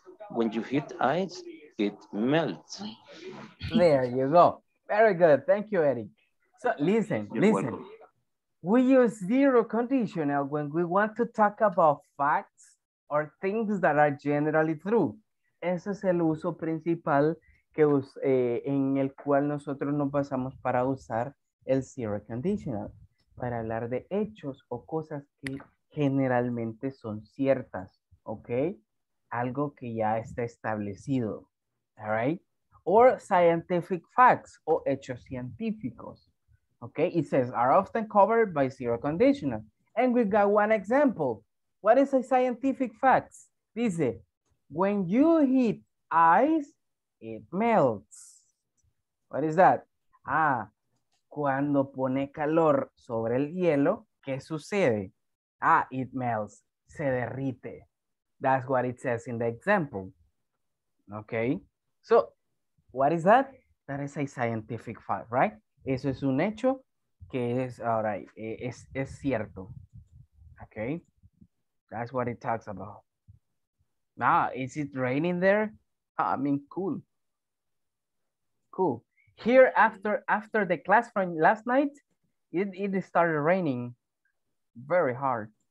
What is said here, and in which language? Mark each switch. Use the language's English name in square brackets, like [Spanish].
[English] When you hit ice, it melts. There you go. Very good. Thank you, Eric. So listen, listen. We use zero conditional when we want to talk about facts or things that are generally true. [Spanish] Ese es el uso principal que en el cual nosotros nos basamos para usar el zero conditional, para hablar de hechos o cosas que generalmente son ciertas, ¿ok? Algo que ya está establecido, [English] all right? Or scientific facts [Spanish] o hechos científicos. [English] Okay, it says are often covered by zero conditional. And we got one example. What is a scientific fact? Dice, when you heat ice, it melts. What is that? [Spanish] Ah, cuando pone calor sobre el hielo, ¿qué sucede? [English] Ah, it melts, [Spanish] se derrite. [English] That's what it says in the example. Okay, so what is that? That is a scientific fact, right? [Spanish] Eso es un hecho que es, [English] all right, [Spanish] es cierto. [English] Okay, that's what it talks about. Now, is it raining there? I mean, cool. school. Here after the class from last night, it started raining very hard.